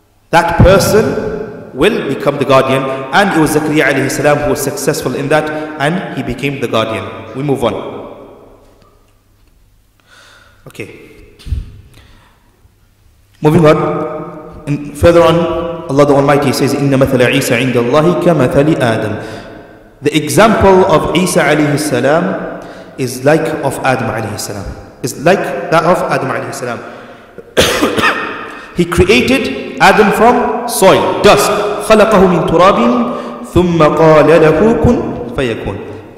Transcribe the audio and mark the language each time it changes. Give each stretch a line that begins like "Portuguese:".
English: That person will become the guardian. And it was Zakariya alayhi salam who was successful in that and he became the guardian. We move on. Okay. Moving on. And further on, Allah the Almighty says,
Arabic: إِنَّ مَثَلَ عِيسَى عِنْدَ اللَّهِ كَمَثَلِ آدَمْ.
English: The example of Isa alayhi salam is like of Adam alayhi salam. It's like that of Adam alayhi salam. He created Adam from soil, dust.
Arabic: خَلَقَهُ مِن تُرَابٍ ثُمَّ قَالَ لَهُ كُنْ فَيَكُنْ.